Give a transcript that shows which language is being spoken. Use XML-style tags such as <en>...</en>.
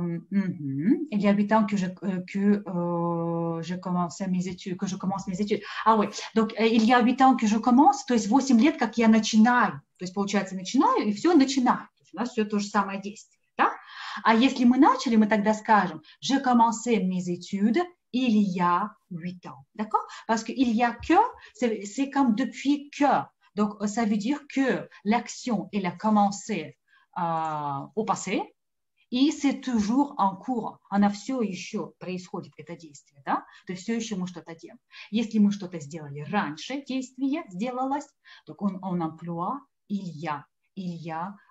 <fr>Il y a 8 ans que je commençais mes études, que je commence mes études. Ah oui, donc il y a 8 ans que je commence,</fr> <ru>то есть 8 лет, как я начинаю. То есть, получается, начинаю, и все, начинаю. У нас все то же самое действие. Да? А если мы начали, мы тогда скажем,</ru> <fr>je commençais mes études. Il y a 8 ans. D'accord? Parce que il y a que, c'est comme depuis que. Donc, ça veut dire que l'action, elle a commencé au passé et c'est toujours en cours. On a</fr> <ru>все еще происходит это действие. Да? То есть, все еще мы что-то делаем. Если мы что-то сделали раньше, действие сделалось,</ru> <fr>donc on emploie il y a.</fr>